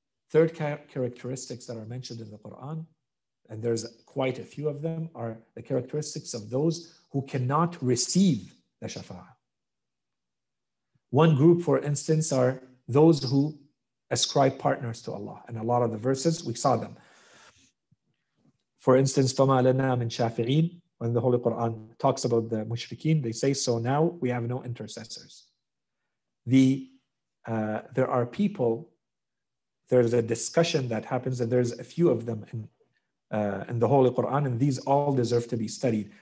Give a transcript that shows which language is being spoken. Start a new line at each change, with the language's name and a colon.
English: Third characteristics that are mentioned in the Quran, and there's quite a few of them, are the characteristics of those who cannot receive the shafa'a. One group, for instance, are those who ascribe partners to Allah. And a lot of the verses, we saw them. For instance,
Arabic: فَمَا لَنَا مِنْ شَافِعِينَ.
English: When the Holy Quran talks about the mushrikeen, they say, so now we have no intercessors. There are people, there's a discussion that happens, and there's a few of them in the Holy Quran, and these all deserve to be studied.